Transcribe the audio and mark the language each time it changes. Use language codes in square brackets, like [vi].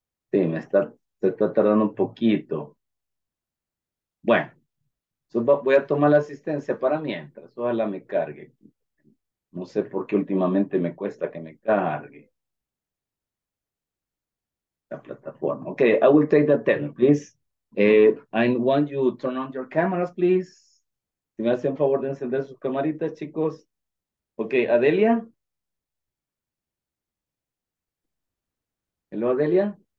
[es] Sí, me está, se está tardando un poquito. Bueno, voy a tomar la asistencia para mientras, ojalá me cargue. No sé por qué últimamente me cuesta que me cargue la plataforma. [en] Okay, I will take the attendance, please. I want you to turn on your cameras, please. [es] Si me hacen favor de encender sus camaritas, chicos. Okay, Adelia. [en] Hello, Adelia.